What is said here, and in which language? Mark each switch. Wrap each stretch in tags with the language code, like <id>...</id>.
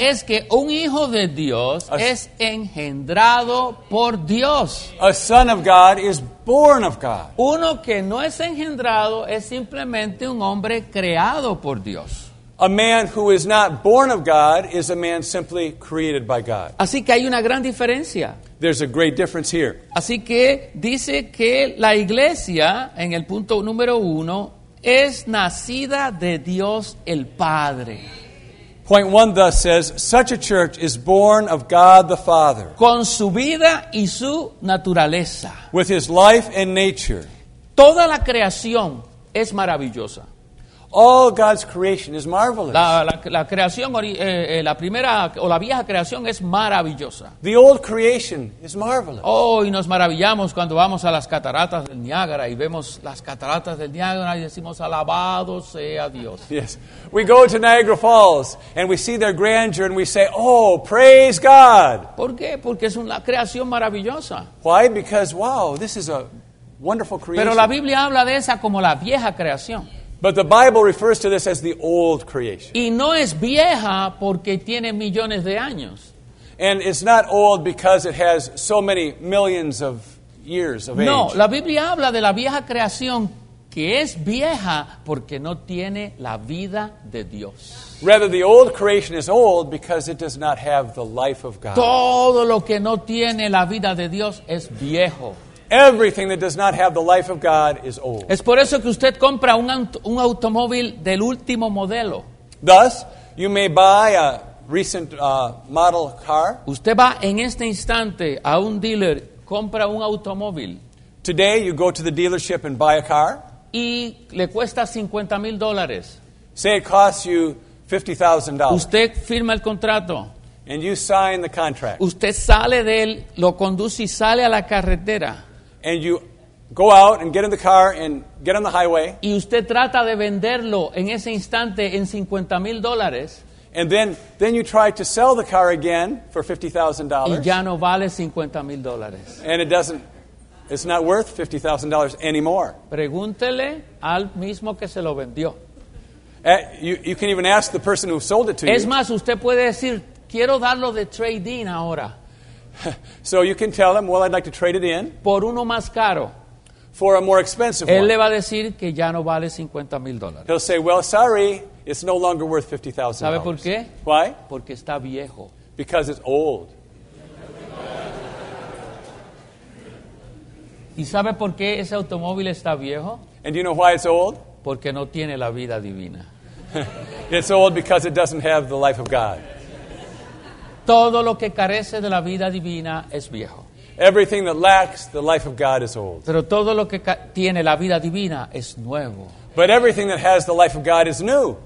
<es>Es que un hijo de Dios es engendrado por Dios.</es> <en>A son of God is born of God.</en> <es>Uno que no es engendrado es simplemente un hombre creado por Dios.</es> <en>A man who is not born of God is a man simply created by God.</en> <es>Así que hay una gran diferencia.</es> <en>There's a great difference here.</en> <es>Así que dice que la iglesia, en el punto número uno, es nacida de Dios el Padre.</es> <en>Point one thus says, such a church is born of God the Father.</en> <es>Con su vida y su naturaleza.</es> <en>With his life and nature.</en> <es>Toda la creación es maravillosa.</es> <en>All God's creation is marvelous.</en> <es>La creación, la primera o la vieja creación es maravillosa.</es> <en>The old creation is marvelous.</en> <es>Oh, y nos maravillamos cuando vamos a las cataratas del Niágara y vemos las cataratas del Niágara y decimos, alabado sea Dios.</es> <en>Yes. We go to Niagara Falls and we see their grandeur and we say, oh, praise God.</en> <es>¿Por qué? Porque es una creación maravillosa.</es> <en>Why? Because, wow, this is a wonderful creation.</en> <es>Pero la Biblia habla de esa como la vieja creación.</es> <en>But the Bible refers to this as the old creation.</en> <es>Y no es vieja porque tiene millones de años.</es> <en>And it's not old because it has so many millions of years of age.</en> <es>No, la Biblia habla de la vieja creación que es vieja porque no tiene la vida de Dios.</es> <en>Rather, the old creation is old because it does not have the life of God.</en> <es>Todo lo que no tiene la vida de Dios es viejo.</es> <en>Everything that does not have the life of God is old.</en> <es>Es por eso que usted compra un automóvil del último modelo.</es> <en>Thus, you may buy a recent model car.</en> <es>Usted va en este instante a un dealer, compra un automóvil.</es> <en>Today, you go to the dealership and buy a car.</en> <es>Y le cuesta $50,000.</es> <en>Say it costs you $50,000.</en> <es>Usted firma el contrato.</es> <en>And you sign the contract.</en> <es>Usted sale de él, lo conduce y sale a la carretera.</es> <en>And you go out and get in the car and get on the highway.</en> <es>Y usted trata de venderlo en ese instante en $50,000.</es> <en>And then you try to sell the car again for $50,000.</en> <es>Y ya no vale $50,000.</es> <en>And it's not worth $50,000 anymore.</en> <es>Pregúntele al mismo que se lo vendió.</es> <en>You can even ask the person who sold it to</en> <es>es</es> <en>you.</en> <es>Es más, usted puede decir, quiero darlo de trade-in ahora.</es> <en>So you can tell him, well, I'd like to trade it in.</en> <es>Por uno más caro.</es> <en>For a more expensive</en> <es>él</es> <en>one.</en> <es>Él le va a decir que ya no vale $50,000.</es> <en>He'll say, well, sorry, it's no longer worth $50,000.</en> <es>¿Sabe por qué?</es> <en>Why?</en> <es>Porque está viejo.</es> <en>Because it's old.</en> <es>¿Y sabe por qué ese automóvil está viejo?</es> <en>And you know why it's old?</en> <es>Porque no tiene la vida divina.</es> <en>It's old because it doesn't have the life of God.</en> <es>Todo lo que carece de la vida divina es viejo.</es> <en>Everything that lacks the life of God is old.</en> <es>Pero todo lo que tiene la vida divina es nuevo.</es> <en>But everything that has the life of God is new.</en>